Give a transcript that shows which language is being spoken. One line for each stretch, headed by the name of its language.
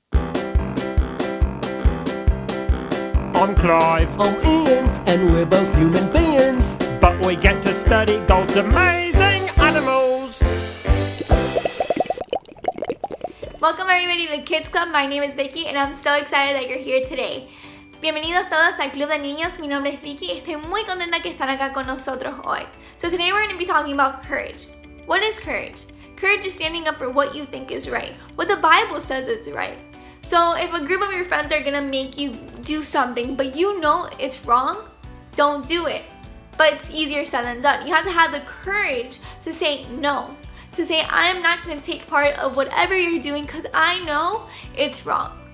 English: I'm Clive. I'm Ian, and we're both human beings. But we get to study God's amazing animals. Welcome everybody to Kids Club. My name is Vicky, and I'm so excited that you're here today.
Spanish: Bienvenidos todos al Club de Niños. Mi nombre es Vicky. Estoy muy contenta que están acá con nosotros hoy.
English: So today we're going to be talking about courage. What is courage? Courage is standing up for what you think is right, what the Bible says is right. So if a group of your friends are going to make you do something, but you know it's wrong, don't do it. But it's easier said than done. You have to have the courage to say no, to say I'm not going to take part of whatever you're doing because I know it's wrong.